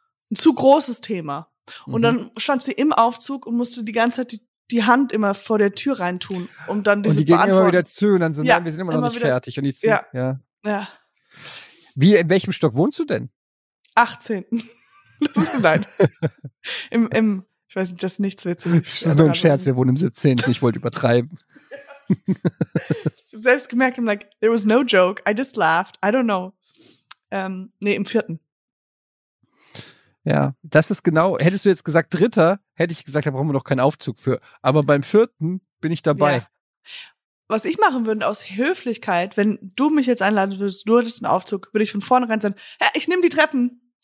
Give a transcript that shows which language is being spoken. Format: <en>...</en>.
<de>Ein zu großes Thema. Und dann stand sie im Aufzug und musste die ganze Zeit die Hand immer vor der Tür reintun, um dann diese Beantwortung. Und die gehen immer wieder zu und dann so, ja, nein, wir sind immer noch nicht wieder, fertig. Und die ziehen, ja. Ja. Wie, in welchem Stock wohnst du denn? 18. Nein. Im, ich weiß nicht, das ist nichts Witziges. Das ist nur ein Scherz, wir wohnen im 17. Ich wollte übertreiben. Ich habe selbst gemerkt,</de> <en>I'm like, there was no joke, I just laughed, I don't know.</en> <de>Im 4. Ja, das ist genau, hättest du jetzt gesagt 3., hätte ich gesagt, da brauchen wir doch keinen Aufzug für. Aber beim 4. bin ich dabei. Ja. Was ich machen würde aus Höflichkeit, wenn du mich jetzt einladen würdest, du hättest einen Aufzug, würde ich von vornherein sagen, ja, ich nehme die Treppen.</de>